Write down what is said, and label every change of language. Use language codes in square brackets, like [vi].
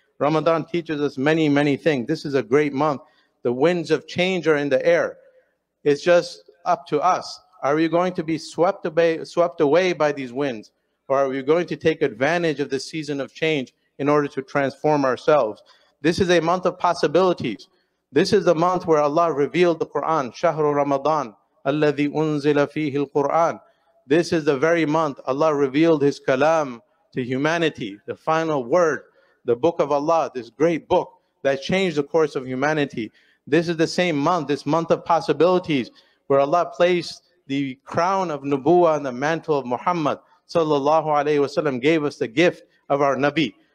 [en] Ramadan teaches us many, many things. This is a great month. The winds of change are in the air. It's just up to us. Are we going to be swept away by these winds? Or are we going to take advantage of the season of change in order to transform ourselves? This is a month of possibilities. This is the month where Allah revealed the Quran. [ar] شهر رمضان الذي أنزل فيه القرآن. [en] This is the very month Allah revealed His Kalam to humanity. The final word, the book of Allah, this great book that changed the course of humanity. This is the same month, this month of possibilities, where Allah placed the crown of Nubuwwah and the mantle of Muhammad sallallahu alayhi wasallam, gave us the gift of our Nabi.